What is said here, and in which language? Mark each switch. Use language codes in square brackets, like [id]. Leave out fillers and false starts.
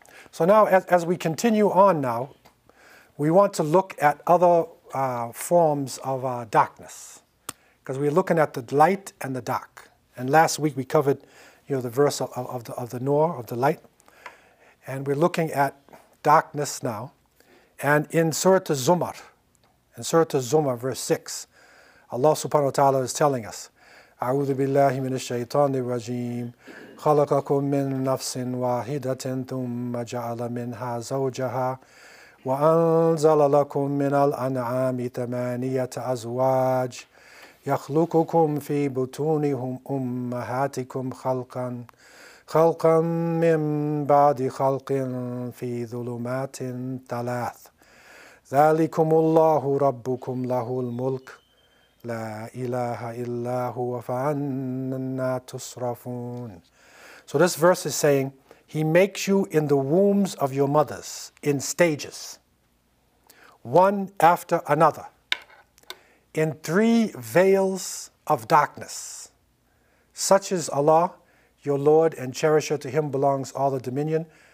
[en] So now, as we continue on now, we want to look at other forms of darkness. Because we're looking at the light and the dark. And last week we covered, you know, the verse of the Noor, of the light. And we're looking at darkness now. And in Surah Az-Zumar, verse 6, Allah subhanahu wa ta'ala is telling us, [ar] أعوذ بالله من الشيطان الرجيم خلقكم من نفس واحدة ثم جعل منها زوجها وأنزل لكم من الأنعام ثمانية أزواج يخلقكم في بطونهم أمهاتكم خلقا من بعد خلق في ظلمات ثلاث ذلكم الله ربكم له الملك لا إله إلا هو فأنى تصرفون. [en] So this verse is saying, he makes you in the wombs of your mothers in stages, one after another, in three veils of darkness. Such is Allah, your Lord and cherisher, to him belongs all the dominion.